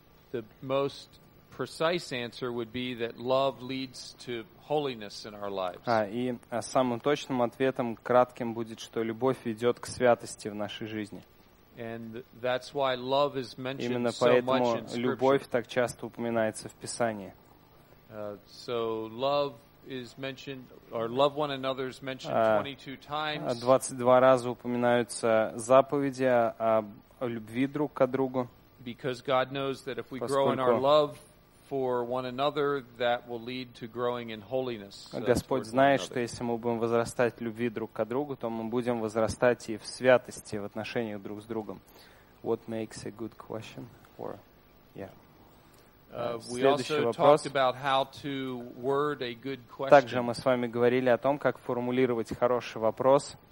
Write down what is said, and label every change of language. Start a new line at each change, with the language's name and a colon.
English: The most precise answer would be that love leads to holiness in our lives.
Russian: И самым точным ответом, кратким, будет, что любовь ведет к святости в нашей жизни.
English: And that's why love is mentioned so much in Scripture.
Russian: Именно поэтому любовь так часто упоминается в Писании.
English: So love is mentioned, or love one another is mentioned 22 times.
Russian: 22 раза упоминаются заповеди о любви друг к другу.
English: Because God knows that if we grow in our love for one another, that will lead to growing in holiness.
Russian: Господь знает, что если мы будем возрастать в любви друг к другу, то мы будем возрастать и в святости в отношениях друг с другом.
English: What makes a good question? Or, yeah.
Russian: Следующий вопрос.
English: About how to word a good question.
Russian: Также мы с вами говорили о том, как формулировать хороший вопрос.